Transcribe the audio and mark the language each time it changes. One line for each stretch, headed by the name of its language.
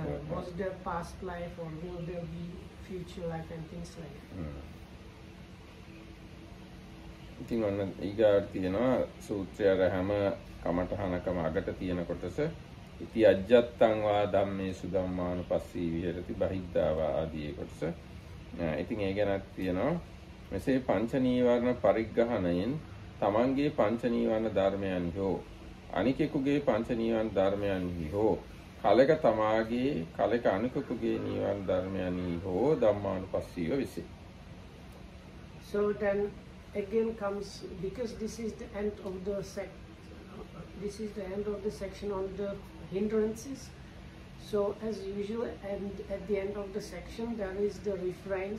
English: was there past life or will there be future life and things like that. Mm.
Sinhala: ඉතින් ඔන්න ඊගාට තියෙනවා සූත්‍රය අර හැම කමඨහනකම අගට තියෙන කොටස
Pali: ඉති අජ්ජත්තං වා ධම්මේසු ධම්මානුපස්සී විහෙරති බහිද්ධාවා
Sinhala: ආදී කොටස. ඉතින් ඒ ගැනත් තියෙනවා මෙසේ පංච නීවරණ පරිග්‍රහණයෙන් තමන්ගේ පංච නීවරණ ධර්මයන් හෝ අනිකෙකුගේ පංච නීවරණ ධර්මයන් හෝ කලක තමාගේ කලක අනිකෙකුගේ නීවරණ ධර්මයන් හෝ ධම්මානුපස්සීව විසේ.
English: So then again comes, because this is the end of the this is the end of the section on the hindrances. So as usual, and at the end of the section there is the refrain.